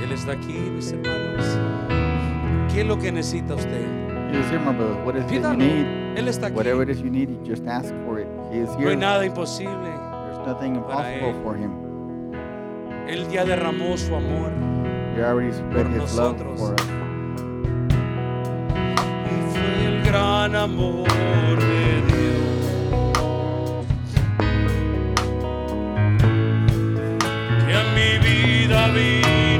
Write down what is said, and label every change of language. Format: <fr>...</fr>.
<es>Aquí, mis hermanos, ¿qué es lo que necesita usted?</es> <en>He is here, my brother. What is it you need?</en> <es>Él está aquí.</es> <en>Whatever it is you need, just ask for it. He is here.</en> <es>No hay nada imposible.</es> <en>There's nothing impossible for him.</en> <es>Él ya derramó su amor.</es> <en>He already spread his love for us.</en> <es>Y fue el gran amor de Dios. Que a mi vida vino.</es>